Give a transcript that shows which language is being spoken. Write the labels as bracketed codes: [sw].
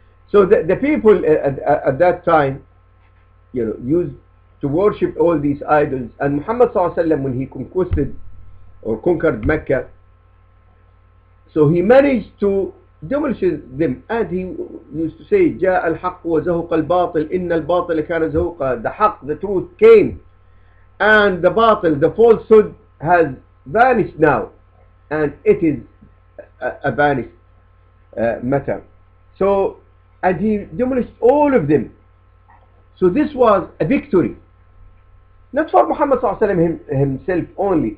[en] So the people at that time, you know, used to worship all these idols. And Muhammad sallallahu alaihi wasallam, when he conquered Mecca, so he managed to demolish them. [ar] And he used to say, جاء الحق وزهق الباطل إن الباطل كان زهقا. [en] The حق, the truth came, and the باطل, the falsehood, has vanished now, and it is a vanished matter. So, and he demolished all of them. So this was a victory, not for Muhammad sallallahu alaihi wasallam himself only.